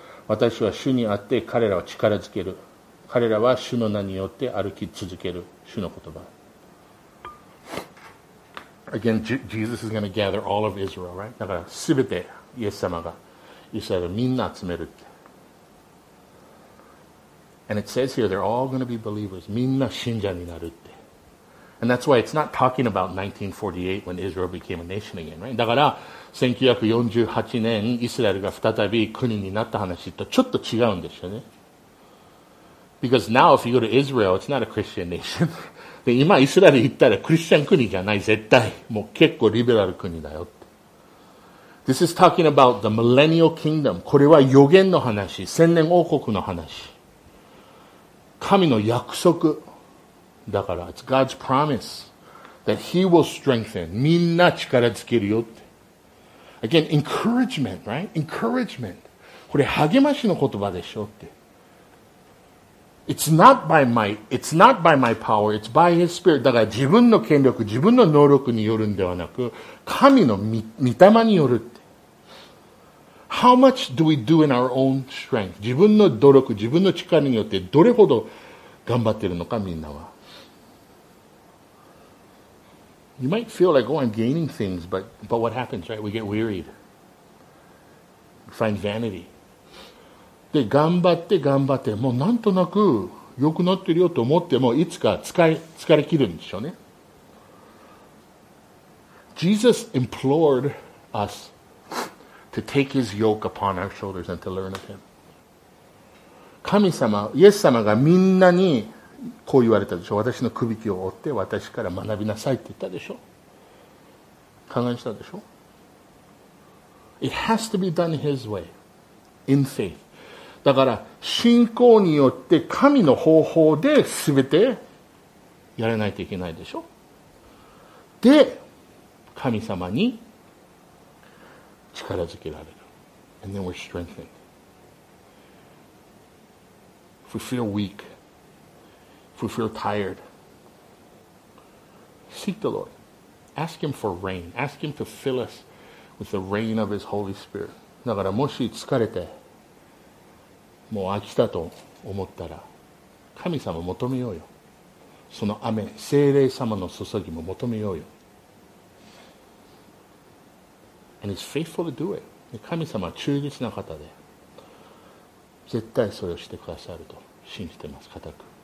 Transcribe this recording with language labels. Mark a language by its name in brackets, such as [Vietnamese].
[Japanese] 私は主にあって彼らを力づける。彼らは主の名によって歩き続ける。主の言葉。 [English] Again, Jesus is going to gather all of Israel, right? [Japanese] だから全てイエス様がイスラエルみんな集めるって。 [English] And it says here they're all going to be believers. [Japanese] みんな信者になるって。 [English] And that's why it's not talking about 1948 when Israel became a nation again, right? [Japanese] だから1948年イスラエルが再び国になった話とちょっと違うんですよね。 [English] Because now if you go to Israel, it's not a Christian nation. [Japanese] で今イスラエル行ったらクリスチャン国じゃない、絶対もう結構リベラル国だよって。 [English] This is talking about the millennial kingdom. [Japanese] これは予言の話、千年王国の話、神の約束だから。 [English] It's God's promise that he will strengthen. [Japanese] みんな力つけるよって。 [English] Again, encouragement, right? Encouragement. [Japanese] これ励ましの言葉でしょって。 [English] It's not by might, it's not by my power, it's by his spirit. [Japanese] だから自分の権力、自分の能力によるんではなく、神の御霊によるって。 [English] How much do we do in our own strength? [Japanese] 自分の努力、自分の力によってどれほど頑張ってるのか、みんなは。 [English] You might feel like, oh, I'm gaining things, but what happens, right? We get wearied. We find vanity. [Japanese] で頑張って頑張ってもうなんとなく良くなってるよと思ってもいつか疲れ切るんでしょうね。 [English] Jesus implored us to take his yoke upon our shoulders and to learn of him. [Japanese] 神様、イエス様がみんなにこう言われたでしょ。私の首輝きを追って私から学びなさいって言ったでしょ。考えしたでしょ。 [English] It has to be done his way, in faith. [Japanese] だから信仰によって神の方法で全てやらないといけないでしょ。で神様に力づけられる。 [English] And then we're strengthened. If we feel weak, if we feel tired, seek the Lord. Ask him for rain. Ask him to fill us with the rain of his Holy Spirit. [Japanese] だからもし疲れてもう飽きたと思ったら神様求めようよ。その雨、聖霊様の注ぎも求めようよ。 [English] And he's faithful to do it. [Japanese] 神様は忠実な方で絶対それをしてくださると信じてます、固く。